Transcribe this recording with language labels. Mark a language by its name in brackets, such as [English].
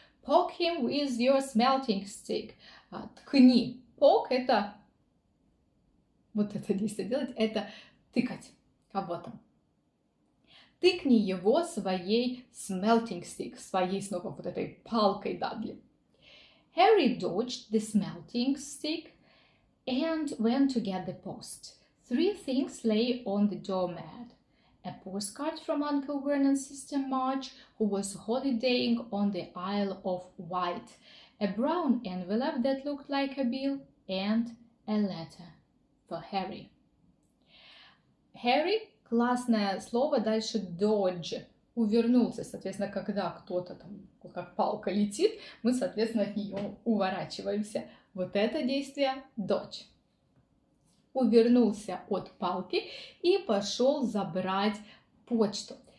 [English] «Poke him with your smelting stick!» [Russian] «Ткни!» [English] «Poke» – [Russian] это... Вот это действие делать – это тыкать кого-то. «Тыкни его своей [English] smelting stick!» [Russian] Своей снова вот этой палкой Дадли. [English] Harry dodged the smelting stick and went to get the post. Three things lay on the doormat. A postcard from Uncle Vernon's sister Marge, who was holidaying on the Isle of Wight. A brown envelope that looked like a bill and a letter for Harry. [Russian] Harry, классное слово, дальше dodge. Увернулся, соответственно, когда кто-то там, как палка летит, мы, соответственно, от нее уворачиваемся. Вот это действие dodge. Увернулся от палки и пошел забрать почту.